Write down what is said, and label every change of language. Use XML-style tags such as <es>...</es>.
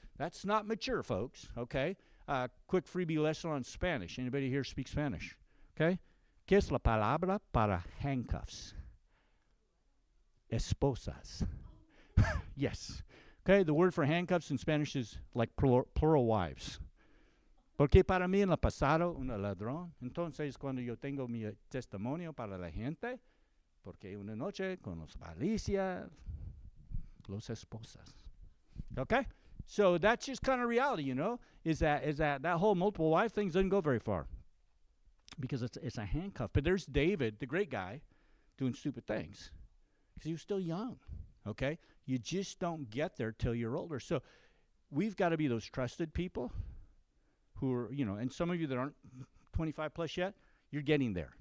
<en>That's not mature, folks. Okay? Quick freebie lesson on Spanish. Anybody here speak Spanish? Okay?</en> <es>¿Qué es la palabra para handcuffs? Esposas.</es> <en>Yes. Okay? The word for handcuffs in Spanish is like plural wives.</en> <es>Porque para mí en el pasado un ladrón, entonces cuando yo tengo mi testimonio para la gente, porque una noche con los policías, los esposas.</es> <en>Okay? So that's just kind of reality, you know, is that whole multiple wife thing doesn't go very far because it's a handcuff. But there's David, the great guy, doing stupid things because he was still young, okay? You just don't get there till you're older. So we've got to be those trusted people who are, you know, and some of you that aren't 25 plus yet, you're getting there.</en>